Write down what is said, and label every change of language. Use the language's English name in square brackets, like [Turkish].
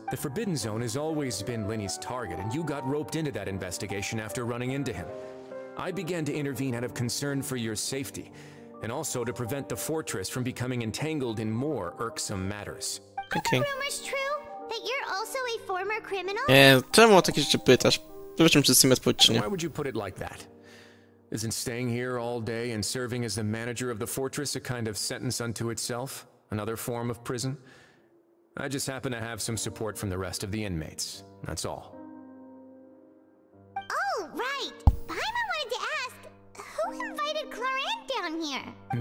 [English] The Forbidden Zone has always been Linny's target, and you got roped into that investigation after running into him. I began to intervene out of concern for your safety, and also to prevent the fortress from becoming entangled in more irksome matters. Okay. Are the rumors true? That you're also a former criminal? [Polish] Czemu o takie rzeczy pytasz? Zobaczmy, czy z tym odpowiedź, czy nie. [English] Why would you put it like that? Isn't staying here all day and serving as the manager of the fortress a kind of sentence unto itself? Another form of prison? I just happen to have some support from the rest of the inmates. That's all. Oh, right! Paimon wanted to ask, who invited Clarant down here?